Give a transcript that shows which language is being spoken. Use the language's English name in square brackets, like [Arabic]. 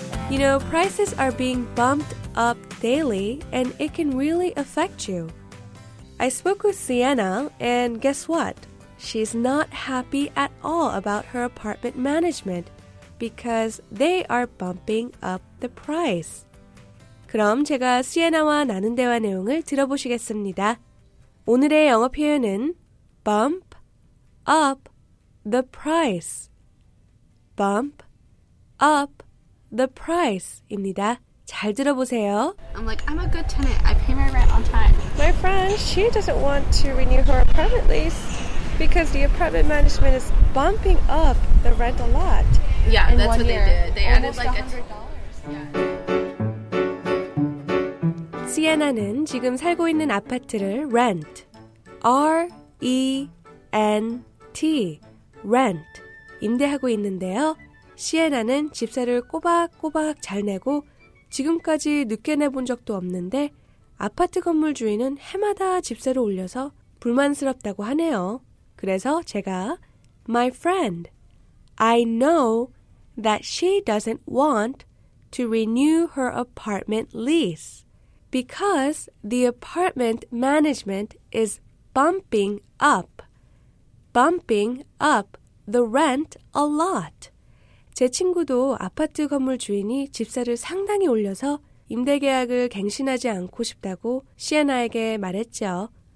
[English] You know, prices are being bumped up daily, and it can really affect you. I spoke with Sienna, and guess what? She's not happy at all about her apartment management because they are bumping up the price. [Korean] 그럼 제가 시에나와 나눈 대화 내용을 들어보시겠습니다. 오늘의 영어 표현은 [English] bump up the price. bump up the price입니다. [Korean] 잘 들어보세요. [English] I'm like, I'm a good tenant. I pay my rent on time. My friend, she doesn't want to renew her apartment lease because the apartment management is bumping up the rent a lot. Yeah, that's what year. They did. They Almost added like $100. Yeah. [Korean] Sienna는 지금 살고 있는 아파트를 rent. [English] R-E-N-T. Rent. [Korean] 임대하고 있는데요. Sienna는 집세를 꼬박꼬박 잘 내고 지금까지 늦게 내본 적도 없는데 아파트 건물 주인은 해마다 집세를 올려서 불만스럽다고 하네요. 그래서 제가 [English] My friend, I know that she doesn't want to renew her apartment lease because the apartment management is bumping up. Bumping up the rent a lot. [Korean] 제 친구도 아파트 건물 주인이 집세를 상당히 올려서 임대 계약을 갱신하지 않고 싶다고 시에나에게 말했죠.